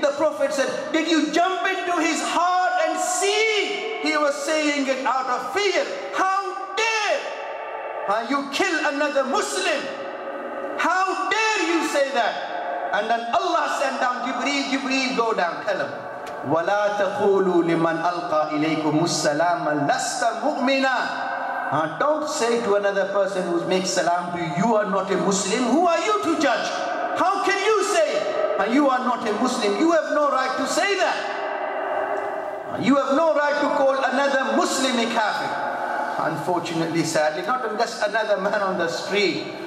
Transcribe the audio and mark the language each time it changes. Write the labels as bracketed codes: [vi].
[en] The Prophet said, did you jump into his heart and see? He was saying it out of fear. How dare you kill another Muslim? How dare you say that? And then Allah sent down Jibreel, go down, tell him. [ar] ولا تقولوا لمن ألقى إليكم السلام لست مؤمنا. [en] Don't say to another person who makes salam to you, you are not a Muslim. Who are you to judge? How can you say you are not a Muslim? You have no right to say that. You have no right to call another Muslim a kafir. Unfortunately, sadly, not just another man on the street.